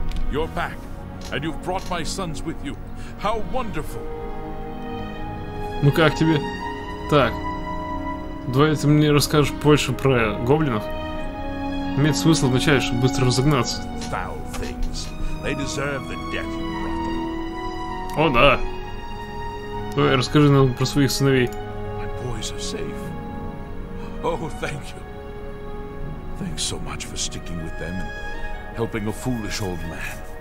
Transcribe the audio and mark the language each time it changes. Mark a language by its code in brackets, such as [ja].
[en] You're back, and you've brought my sons with you. How wonderful! [ru] Ну как тебе? Так, давай ты мне расскажешь больше про гоблинов. Имеет смысл вначале, чтобы быстро разогнаться. [en] Foul things. They deserve the death you brought them. [ru] О, да. Давай, расскажи нам про своих сыновей. [en] My boys are safe. Oh, thank you. Thanks so much for sticking with them and helping a foolish old man.